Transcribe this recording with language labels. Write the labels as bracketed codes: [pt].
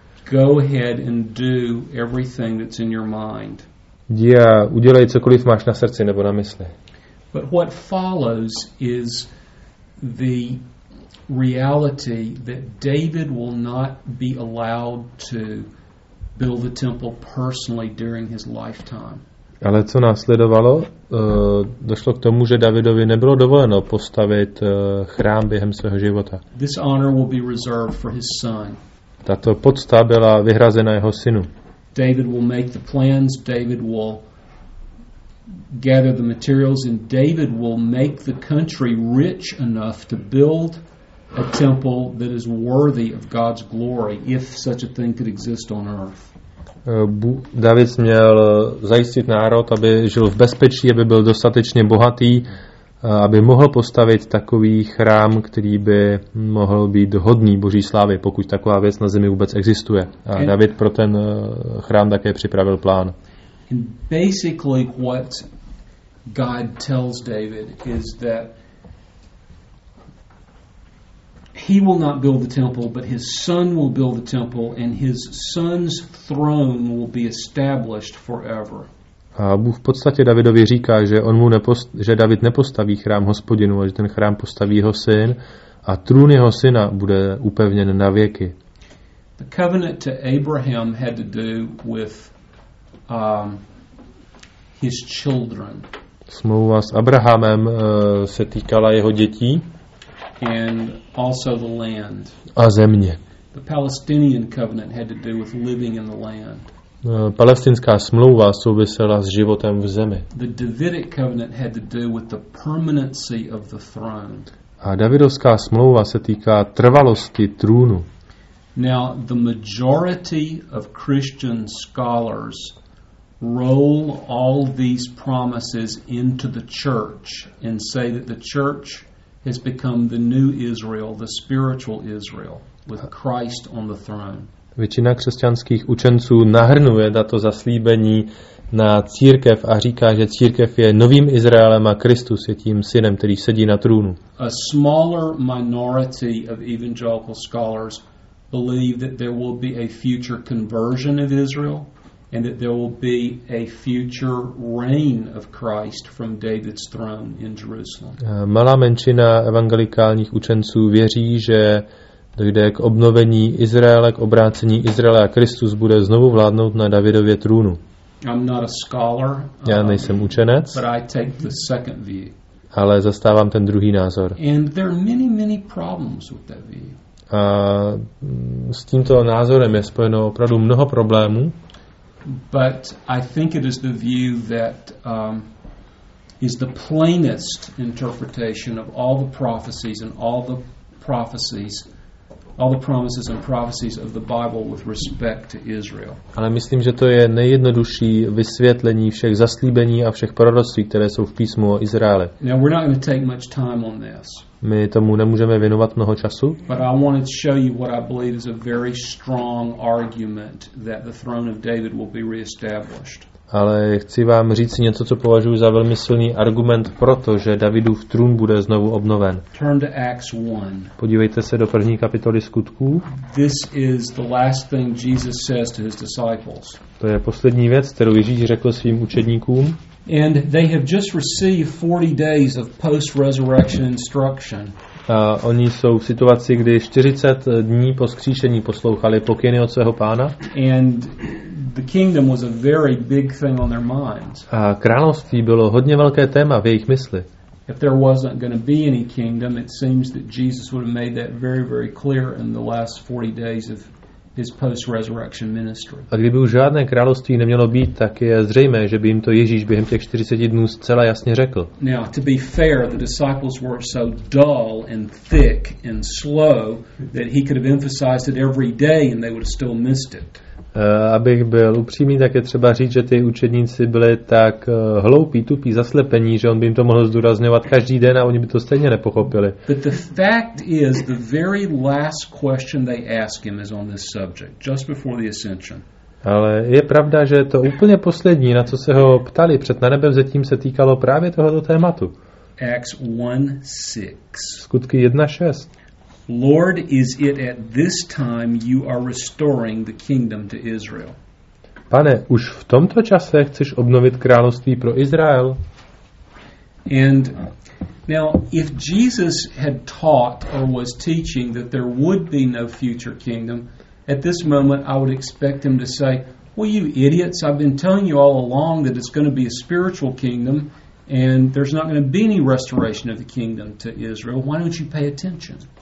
[en] Go ahead and do everything that's in your mind. [cs] Jdi a udělej cokoliv máš na srdci nebo na mysli. [en] But what follows is the reality that David will not be allowed to build the temple personally during his lifetime. [cs] Ale co následovalo, došlo k tomu, že Davidovi nebylo dovoleno postavit chrám během svého života. [en] This honor will be reserved for his son. [cs] Tato pocta byla vyhrazena jeho synu. [en] David will make the plans, David will gather the materials, and David will make the country rich enough to build a temple that is worthy of God's glory, if such a thing could exist on earth. [cs] David měl zajistit národ, aby žil v bezpečí, aby byl dostatečně bohatý, aby mohl postavit takový chrám, který by mohl být hodný Boží slávy, pokud taková věc na zemi vůbec existuje. A David pro ten chrám také připravil plán. [en] And basically what God tells David is that he will not build the temple, but his son will build the temple, and his son's throne will be established forever. [cs] A Bůh v podstatě Davidovi říká, že on mu že David nepostaví chrám Hospodinu, ale že ten chrám postaví jeho syn a trůn jeho syna bude upevněn na věky. [en] The covenant to Abraham had to do with his children. [cs] Smlouva s Abrahamem se týkala jeho dětí. [en] And also the land. [cs] A země. [en] The Palestinian covenant had to do with living in the land. [cs] Palestinská smlouva souvisela s životem v zemi. [en] The Davidic covenant had to do with the permanency of the throne. [cs] A Davidovská smlouva se týká trvalosti trůnu. [en] Now the majority of Christian scholars roll all these promises into the church and say that the church has become the new Israel, the spiritual Israel. with Christ on the throne. [cs] Většina křesťanských učenců nahrnuje tato zaslíbení na církev a říká, že církev je novým Izraelem a Kristus je tím synem, který sedí na trůnu. [en] A smaller minority of evangelical scholars believe that there will be a future conversion of Israel and that there will be a future reign of Christ from David's throne in Jerusalem. [cs] Malá menšina evangelikálních učenců věří, že dojde k obnovení Izraele, k obrácení Izraele a Kristus bude znovu vládnout na Davidově trůnu. [en] I'm not a scholar. [cs] Já nejsem učenec. [en] But I take the second view. [cs] Ale zastávám ten druhý názor. [en] And there are many, many problems with that view. [cs] A s tímto názorem je spojeno opravdu mnoho problémů. [en] But I think it is the view that is the plainest interpretation of all the prophecies and all the prophecies, all the promises and prophecies of the Bible with respect to Israel. [cs] Ale myslím, že to je nejjednodušší vysvětlení všech zaslíbení a všech proroctví, které jsou v písmu o Izraeli. [en] Now we're not going to take much time on this. [cs] My tomu nemůžeme věnovat mnoho času. [en] But I wanted to show you what I believe is a very strong argument that the throne of David will be reestablished. [cs] Ale chci vám říct něco, co považuji za velmi silný argument pro to, že Davidův trůn bude znovu obnoven. [en] Turn to Acts 1. [cs] Podívejte se do první kapitoly Skutků. [en] This is the last thing Jesus says to his disciples. [cs] To je poslední věc, kterou Ježíš řekl svým učedníkům. [en] And they have just received 40 days of post-resurrection instruction. [cs] A oni jsou v situaci, kdy 40 dní po vzkříšení poslouchali pokyny od svého pána. [en] And the kingdom was a very big thing on their minds. [cs] A království bylo hodně velké téma v jejich mysli. [en] If there wasn't going to be any kingdom, it seems that Jesus would have made that very, very clear in the last 40 days of his post-resurrection ministry. [cs] A kdyby už žádné království nemělo být, tak je zřejmé, že by jim to Ježíš během těch 40 dnů zcela jasně řekl. [en] Now, to be fair, the disciples were so dull and thick and slow that he could have emphasized it every day and they would have still missed it. [cs] Abych byl upřímný, tak je třeba říct, že ty učedníci byli tak hloupí, tupí, zaslepení, že on by jim to mohl zdůrazňovat každý den a oni by to stejně nepochopili. [en] But the fact is, the very last question they ask him is on this subject, just before the ascension. [cs] Ale je pravda, že to úplně poslední, na co se ho ptali před nanebevzetím, se týkalo právě tohoto tématu. [en] Acts 1:6. [cs] Skutky 1:6. [en] Lord, is it at this time you are restoring the kingdom to Israel? [cs] Pane, už v tomto čase chceš obnovit království pro Izrael? [en] And now, if Jesus had taught or was teaching that there would be no future kingdom, at this moment I would expect him to say, well, you idiots, I've been telling you all along that it's going to be a spiritual kingdom and there's not going to be any restoration of the kingdom to Israel. Why don't you pay attention?